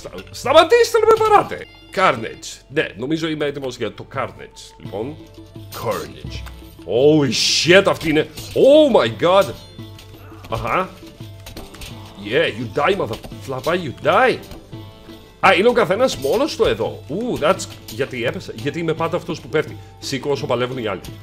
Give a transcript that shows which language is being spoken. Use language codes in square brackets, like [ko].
[el] Σταματήστε να με παράτε! Carnage. Ναι, νομίζω είμαι έτοιμος για το Carnage. Λοιπόν, Carnage. [en] Holy shit, [el] αυτή είναι. [en] Oh my god. Αχα. Yeah, you die, mother flapper, you die. [el] Είναι ο καθένας μόνος του εδώ. [en] That's. [el] Γιατί έπεσε? Γιατί είμαι πάντα αυτός που πέφτει. Σήκω όσο παλεύουν οι άλλοι.